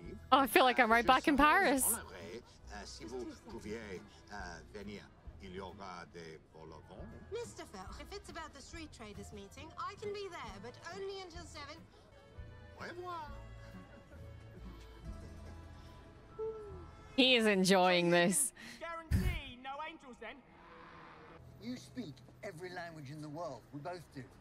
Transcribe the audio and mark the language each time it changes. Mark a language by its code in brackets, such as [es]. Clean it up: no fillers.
[en] Oh, I feel like I'm right back in Paris. [fr] Si vous pouviez venir, il y aura des vol-au-vent. [en] Mr. Fell, if it's about the street traders meeting, I can be there, but only until 7. [fr] Au revoir. [en] He is enjoying this. Then. You speak every language in the world. We both do.